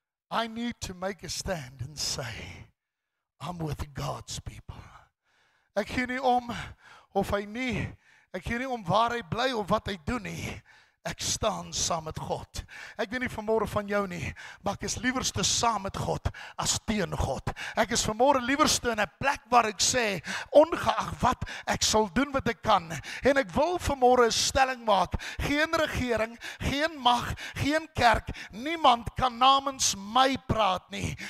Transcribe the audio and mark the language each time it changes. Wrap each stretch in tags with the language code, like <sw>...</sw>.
<en>I need to make a stand and say, I'm with God's people.</en> <af>Ek gee nie om of hy nie, ek gee nie om waar hy bly of wat hy doen nie, ek staan saam met God. Ek weet nie vanmôre van jou nie, maar ek is liewerste saam met God as teen God. Ek is vanmôre liewerste in 'n plek waar ek sê, ongeag wat, ek sal doen wat ek kan. En ek wil vanmôre 'n stelling maak. Geen regering, geen mag, geen kerk, niemand kan namens my praat nie.</af>